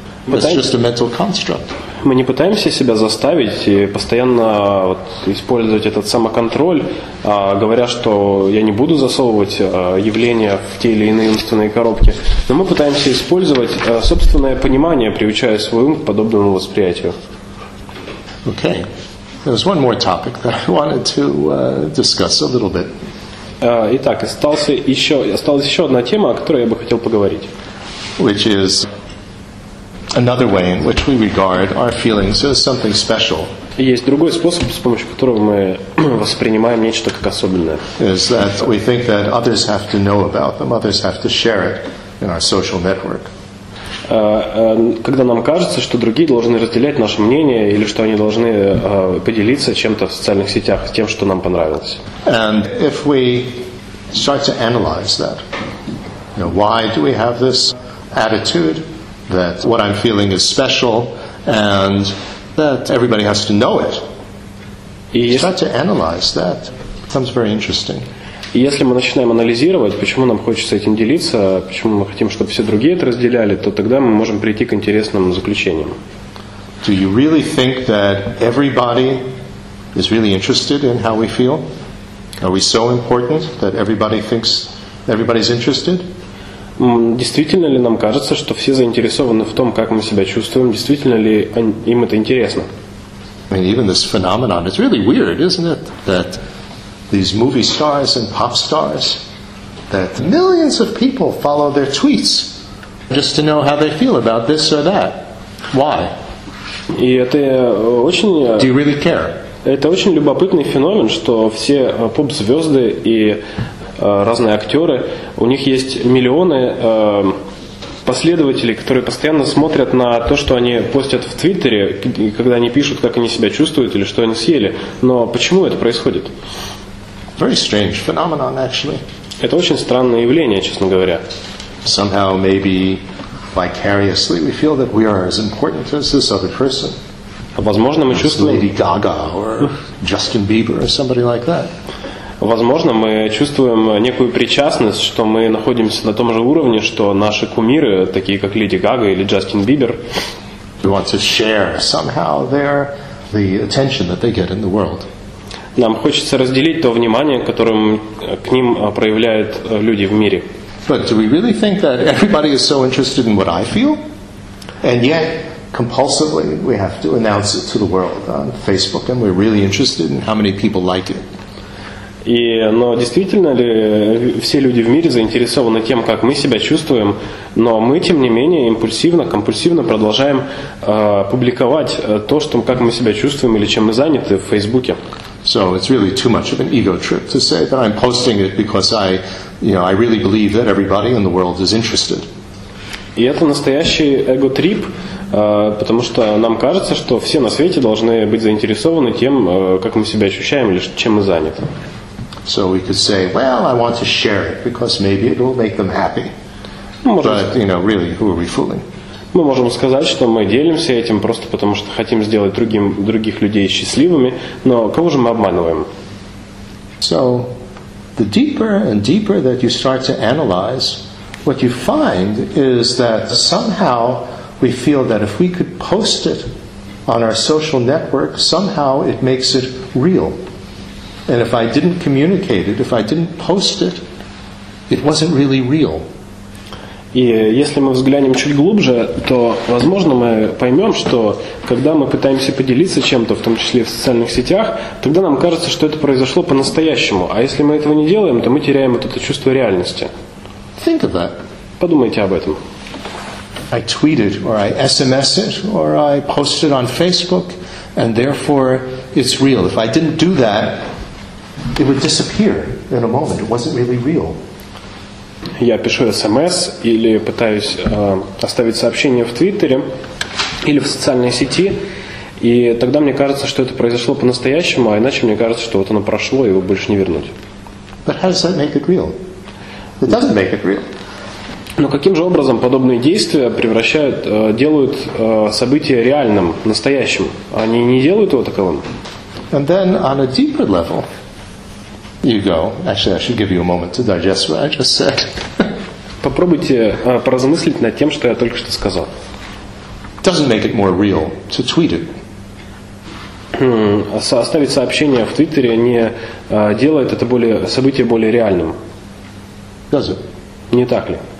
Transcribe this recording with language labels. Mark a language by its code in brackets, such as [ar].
[en] It's just a mental construct. [ru] Мы не пытаемся себя заставить и постоянно вот, использовать этот самоконтроль, говоря, что я не буду засовывать явления в те или иные умственные коробки. Но мы пытаемся использовать собственное понимание, приучая свой ум к подобному восприятию. [en] Okay. There's one more topic that I wanted to discuss a little bit. [ru] Итак, осталась еще одна тема, о которой я бы хотел поговорить. [en] Which is another way in which we regard our feelings as something special. [ru] Есть другой способ, с помощью которого мы воспринимаем нечто как особенное. [en] Is that we think that others have to know about them, others have to share it in our social network. [ru] Когда нам кажется, что другие должны разделять наше мнение или что они должны поделиться чем-то в социальных сетях, тем, что нам понравилось. [en] And if we start to analyze that, you know, why do we have this attitude that what I'm feeling is special and that everybody has to know it? Start to analyze that, it becomes very interesting. [ru] И если мы начинаем анализировать, почему нам хочется этим делиться, почему мы хотим, чтобы все другие это разделяли, то тогда мы можем прийти к интересным заключениям. [en] Do you really think that everybody is really interested in how we feel? Are we so important that everybody thinks everybody's interested? [ru] Действительно ли нам кажется, что все заинтересованы в том, как мы себя чувствуем? Действительно ли им это интересно? [en] I mean, even this phenomenon, it's really weird, isn't it? That these movie stars and pop stars, that millions of people follow their tweets just to know how they feel about this or that. Why? [ru] И это очень... [en] Do you really care? [ru] Это очень любопытный феномен, что все поп-звезды и разные актеры, у них есть миллионы последователей, которые постоянно смотрят на то, что они постят в Твиттере, когда они пишут, как они себя чувствуют или что они съели. Но почему это происходит? [en] Very strange phenomenon, actually. [ru] Это очень странное явление, честно говоря. [en] Somehow, maybe vicariously, we feel that we are as important as this other person. [ru] Возможно, мы чувствуем. [en] Lady Gaga or Justin Bieber or somebody like that. [ru] Возможно, мы чувствуем некую причастность, что мы находимся на том же уровне, что наши кумиры, такие как Lady Gaga или Justin Bieber. [en] We want to share somehow the attention that they get in the world. [ru] Нам хочется разделить то внимание, которым к ним проявляют люди в мире. [en] But do we really think that everybody is so interested in what I feel? And yet, compulsively, we have to announce it to the world on Facebook, and we're really interested in how many people like it. [ru] Но действительно ли все люди в мире заинтересованы тем, как мы себя чувствуем, но мы, тем не менее, импульсивно, компульсивно продолжаем публиковать то, что, как мы себя чувствуем или чем мы заняты в Фейсбуке? [en] So it's really too much of an ego trip to say that I'm posting it because I, you know, I really believe that everybody in the world is interested. [ru] И это настоящий эго-трип, потому что нам кажется, что все на свете должны быть заинтересованы тем, как мы себя ощущаем или чем мы заняты. [en] So we could say, well, I want to share it because maybe it will make them happy. But, you know, really, who are we fooling? [ru] Мы можем сказать, что мы делимся этим просто потому, что хотим сделать других людей счастливыми, но кого же мы обманываем? [en] So, the deeper and deeper that you start to analyze, what you find is that somehow we feel that if we could post it on our social network, somehow it makes it real. And if I didn't communicate it, if I didn't post it, it wasn't really real. [ru] И если мы взглянем чуть глубже, то, возможно, мы поймем, что когда мы пытаемся поделиться чем-то, в том числе в социальных сетях, тогда нам кажется, что это произошло по-настоящему. А если мы этого не делаем, то мы теряем вот это чувство реальности. [en] Think of that. [ru] Подумайте об этом. [en] I tweeted, or I SMS it, or I posted on Facebook, and therefore it's real. If I didn't do that, it would disappear in a moment. It wasn't really real. [ru] Я пишу СМС или пытаюсь оставить сообщение в Твиттере или в социальной сети, и тогда мне кажется, что это произошло по-настоящему, а иначе мне кажется, что вот оно прошло, и его больше не вернуть. [en] But how does that make it real? It doesn't make it real. [ru] Но каким же образом подобные действия превращают, делают событие реальным, настоящим? Они не делают его таковым? [en] And then on a deeper level, you go. Actually, I should give you a moment to digest what I just said. [ru] Попробуйте поразмыслить над тем, что я только что сказал. [en] Doesn't make it more real to tweet it. [ru] Оставить сообщение в Твиттере не делает это событие более реальным. [en] Does it? [ru] Не так ли?